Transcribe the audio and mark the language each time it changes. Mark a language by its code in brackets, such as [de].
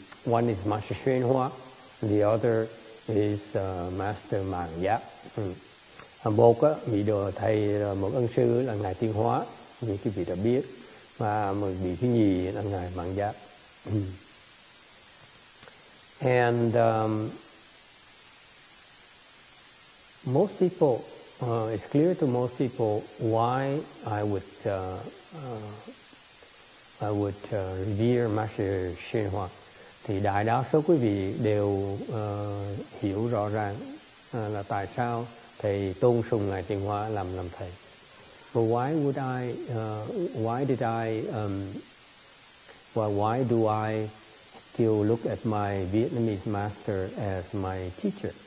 [en] One is Master Xuyên Hoa, the other is Master Mạng Giác. [vi] Một á, vị đồ thầy một ân sư là ngài Tiên Hóa, như quý vị đã biết, và một vị thứ nhì là ngài Mạng Giác. [en] And most people, it's clear to most people why I would revere Master Xuyên Hoa. [vi] Thì đại đa số quý vị đều hiểu rõ ràng là tại sao thầy tôn sùng ngài Tiên Hóa làm thầy. [en] But why would I? Why did I? Well, why do I still look at my Vietnamese master as my teacher?